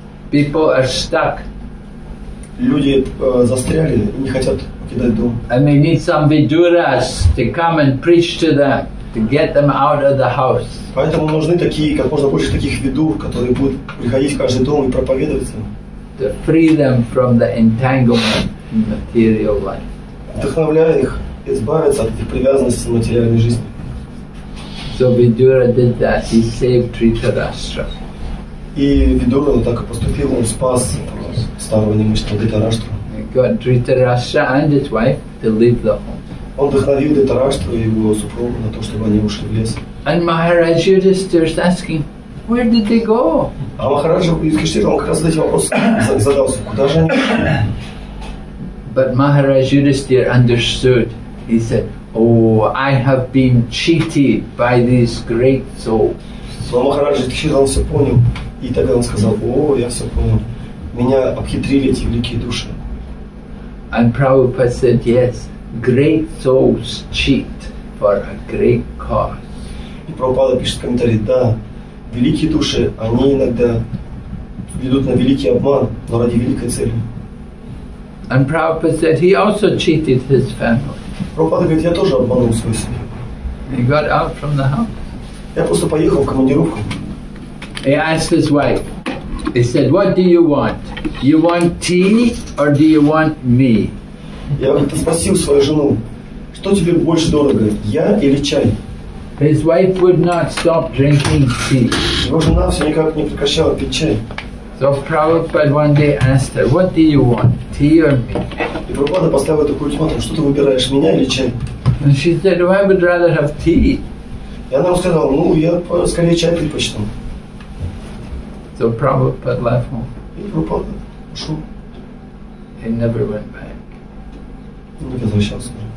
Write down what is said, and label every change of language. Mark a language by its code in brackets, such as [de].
[en] People are stuck. And they need some viduras to come and preach to them, to get them out of the house. [ru] Поэтому нужны такие, как можно больше таких ведов, которые будут приходить в каждый дом и проповедовать им. [en] To free them from the entanglement in material life. [ru] Вдохновляя их избавиться от этих привязанностей в материальной жизни. [en] So Vidura did that. He saved Dhritarashtra. [ru] И Vidura так и поступил. Он спас старого немощного Dhritarashtra. [en] He got Dhritarashtra and his wife to leave the home. [ru] Он вдохновил Дхритарашту и его супругу на то, чтобы они ушли в лес. [en] And Maharaj Yudhishthira is asking, where did they go? [ru] А Махарадж Юдхиштхира, он как раз этим вопросом задался, куда же они? [en] But Maharaj Yudhishthira understood. He said, oh, I have been cheated by these great souls. [ru] Но Махарадж Юдхиштхира, он все понял. И тогда он сказал, о, я все понял. Меня обхитрили эти великие души. [en] And Prabhupada said, yes, great souls cheat for a great cause. [ru] И Прабхупада пишет в комментарии, да, великие души, они иногда ведут на великий обман, но ради великой цели. [en] And Prabhupada said he also cheated his family. [ru] Прабхупада говорит, я тоже обманул свою семью. [en] He got out from the house. [ru] Я просто поехал в командировку. [en] He asked his wife, he said, what do you want? You want tea or do you want me? [ru] Я спросил свою жену, что тебе больше дорого, я или чай? [en] His wife would not stop drinking tea. [ru] Его жена все никак не прекращала пить чай. [en] So Prabhupada one day asked her, what do you want, tea or me? [ru] И Прабхупада поставил такой ультиматум, что ты выбираешь, меня или чай? [en] And she said, well, I would rather have tea. [ru] И она ему сказала, ну я скорее чай предпочту. [en] So Prabhupada left home. [ru] И Прабхупада ушел. [en] He never went back. [ru] Он не возвращался.